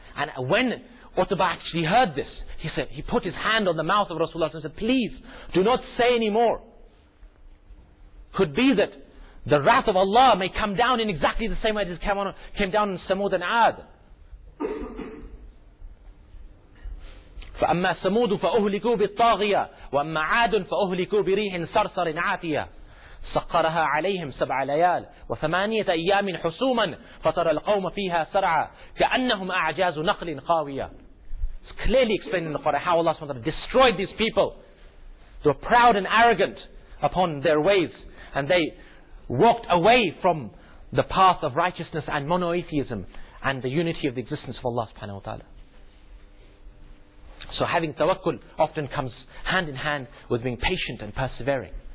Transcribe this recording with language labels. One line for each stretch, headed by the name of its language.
English: And when Utbah actually heard this, he said, he put his hand on the mouth of Rasulullah and said, please, do not say any more. Could be that the wrath of Allah may come down in exactly the same way that came down in Samud and Aad.
Arabic: فَأَمَّا سَمُودُ فَأُهْلِكُوا بِالطَّاغِيَةِ وَأَمَّا عَادٌ فَأُهْلِكُوا بِرِيحٍ صَرْصَرٍ عَاتِيَةٍ سَقَّرَهَا عَلَيْهِمْ سَبْعَ لَيَالٍ وَثَمَانِيَةَ أَيَّامٍ حُسُومًا فَتَرَى الْقَوْمَ فِيهَا سَرْعَى كَأَنَّهُمْ أَعْجَازُ نَخْلٍ خَاوِيَةٍ
English: It's clearly explained in the Quran how Allah destroyed these people. They were proud and arrogant upon their ways, and they walked away from the path of righteousness and monotheism and the unity of the existence of Allah subhanahu wa ta'ala. So having tawakkul often comes hand in hand with being patient and persevering.